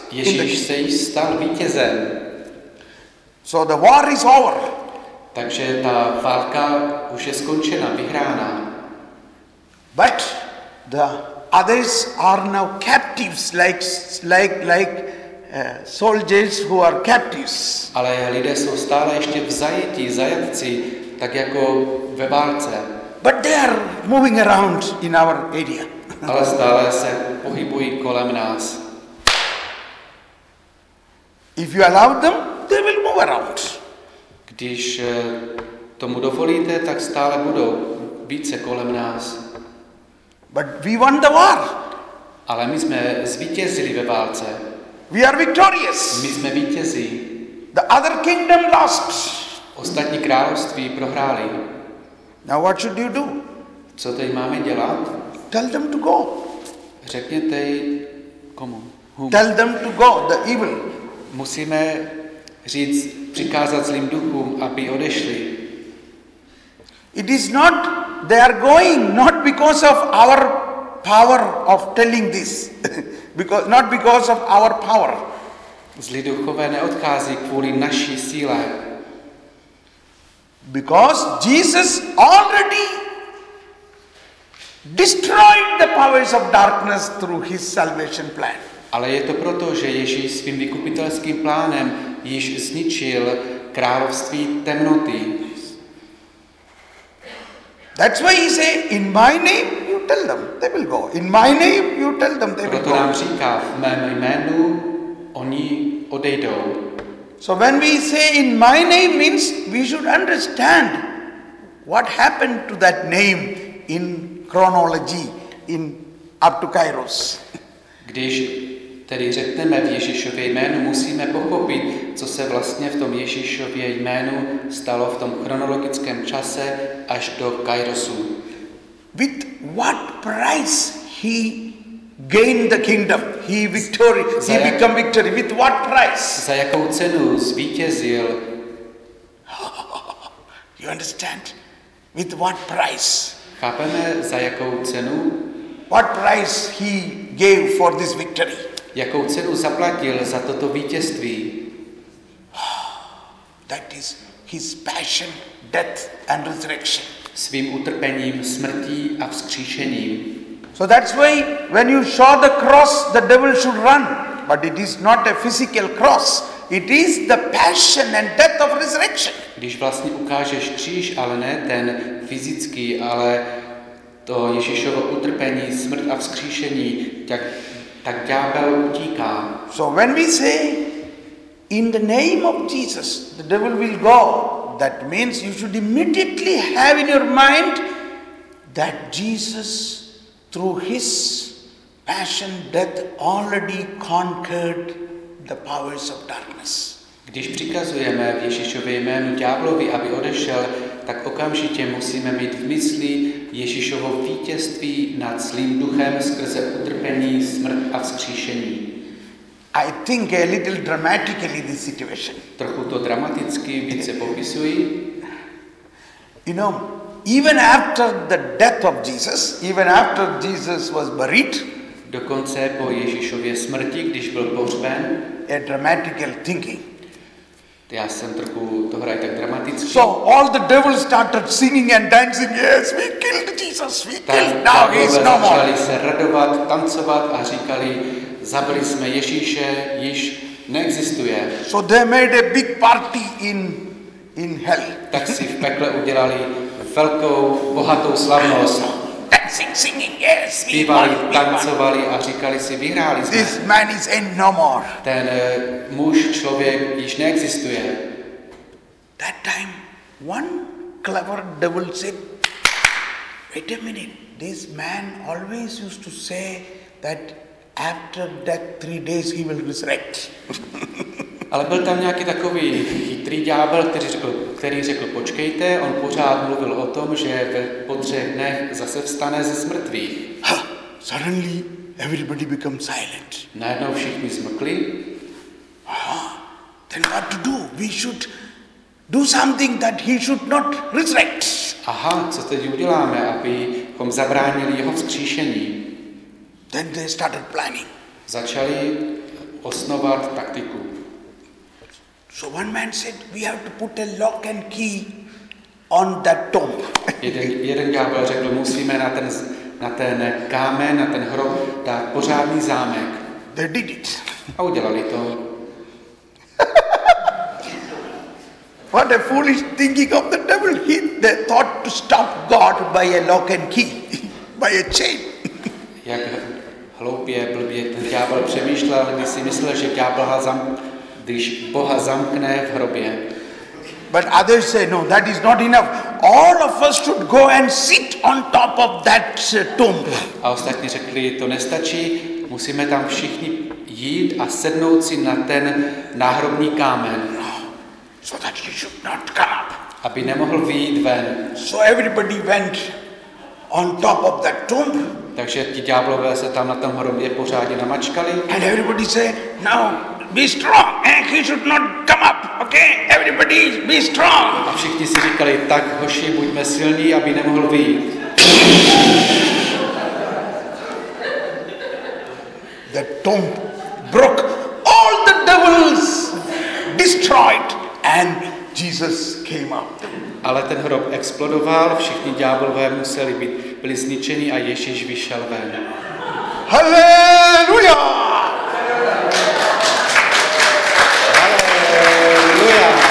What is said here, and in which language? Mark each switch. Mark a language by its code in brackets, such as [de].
[cs] Ježíš se již stal vítězem. [en] So the war is over. [cs] Takže ta válka už je skončena, vyhrána. [en] But the others are now captives, like soldiers who are captives. [cs] Ale lidé jsou stále ještě v zajetí, zajatci, tak jako ve válce. [en] But they are moving around in our area. [cs] Ale stále se pohybují kolem nás. [en] If you allow them, they will move around. [cs] Když tomu dovolíte, tak stále budou více kolem nás. [en] But we won the war. [cs] Ale my jsme zvítězili ve válce. [en] We are victorious. [cs] My jsme vítězí. [en] The other kingdom lost. [cs] Ostatní království prohráli. [en] Now what should you do? [cs] Co teď máme dělat? [en] Tell them to go. [cs] Řekněte komu? [en] Whom? Tell them to go, the evil. [cs] Musíme říct, přikázat zlým duchům, aby odešli. [en] It is not they are going, not because of our power of telling this, because not because of our power. [cs] Zlí duchové neodchází kvůli naší síle. [en] Because Jesus already destroyed the powers of darkness through his salvation plan. [cs] Ale je to proto, že Ježíš svým vykupitelským plánem již zničil království temnoty. [en] That's why he say in my name you tell them they will go. In my name you tell them they will go. [cs] Proto nám říká v mém jménu oni odejdou. [en] So when we say in my name means we should understand what happened to that name in chronology in up to Kairos. [cs] Když tedy řekneme v Ježíšově jménu, musíme pochopit, co se vlastně v tom Ježíšově jménu stalo v tom chronologickém čase až do Kairosu. [en] With what price he gained the kingdom, he victory, he become victory, with what price? [cs] Za jakou cenu zvítězil? [en] You understand? With what price? [cs] Chápeme, za jakou cenu? [en] What price he gave for this victory? [cs] Jakou cenu zaplatil za toto vítězství? [en] That is his passion, death and resurrection. [cs] Svým utrpením, smrtí a vzkříšením. [en] So that's why when you show the cross, the devil should run. But it is not a physical cross. It is the passion and death of resurrection. [cs] Když vlastně ukážeš kříž, ale ne ten fyzický, ale to Ježíšovo utrpení, smrt a vzkříšení, tak ďábel utíká. [en] So when we say in the name of Jesus the devil will go, that means you should immediately have in your mind that Jesus through his passion death already conquered the powers of darkness. [cs] Když přikazujeme v Ježíšově jménu ďáblovi, aby odešel, tak okamžitě musíme mít v mysli Ježíšovo vítězství nad zlým duchem skrze utrpení, smrt a vzkříšení. [en] I think a little dramatically this situation. [cs] Trochu to dramaticky více popisuji. [en] You know, even after the death of Jesus, even after Jesus was buried, [cs] dokonce po Ježíšově smrti, když byl pohřben, [en] a dramatical thinking. [cs] Já jsem trochu to hraje tak dramaticky. [en] So all the devils started singing and dancing. Yes, we killed Jesus. We killed. Now he is no more. [cs] Začali se radovat, tancovat a říkali: zabili jsme Ježíše, již neexistuje. [en] So they made a big party in hell. [cs] Tak si v pekle udělali velkou bohatou slavnost. [en] Dancing, singing. Yes, we [cs] zpívali, tancovali a říkali si: vyhráli jsme. [en] This man is in no more. [cs] Ten muž, člověk již neexistuje. [en] That time one clever devil said, wait a minute, this man always used to say that after death 3 days he will resurrect. [cs] Ale byl tam nějaký takový chytrý ďábel, který řekl, počkejte, on pořád mluvil o tom, že po 3 dnech zase vstane ze smrtvých. [en] Suddenly everybody become silent. [cs] Najednou všichni zmlkli. [en] Then what to do? We should do something that he should not resurrect. [cs] Aha, co teď uděláme, abychom zabránili jeho vzkříšení? [en] Then they started planning. [cs] Začali osnovat taktiku. [en] So one man said, we have to put a lock and key on that tomb. [cs] Jeden ďábel řekl, musíme na ten kámen, na ten hrob dát pořádný zámek. [en] They did it. [cs] A udělali to. [en] What a foolish thinking of the devil. They thought to stop God by a lock and key, by a chain. [cs] Jak hloupě, blbě ten ďábel přemýšlel, když si myslel, že ďábel ha zamknul. když Boha zamkne v hrobě. [en] But others say no, that is not enough. All of us should go and sit on top of that tomb. [cs] A ostatní řekli, to nestačí, musíme tam všichni jít a sednout si na ten náhrobní kámen. [en] So that he should not come up. [cs] Aby nemohl vyjít ven. [en] So everybody went on top of that tomb. [cs] Takže ti ďáblové se tam na tom hrobě pořádně namačkali. [en] And everybody said, now be strong and he should not come up. Okay, everybody be strong. [cs] A všichni si říkali, tak hoši, buďme silní, aby nemohl vyjít. [en] The tomb broke, all the devils destroyed and Jesus came up. [cs] Ale ten hrob explodoval, všichni ďáblové museli být byli zničeni a Ježíš vyšel ven. Haleluja! Haleluja!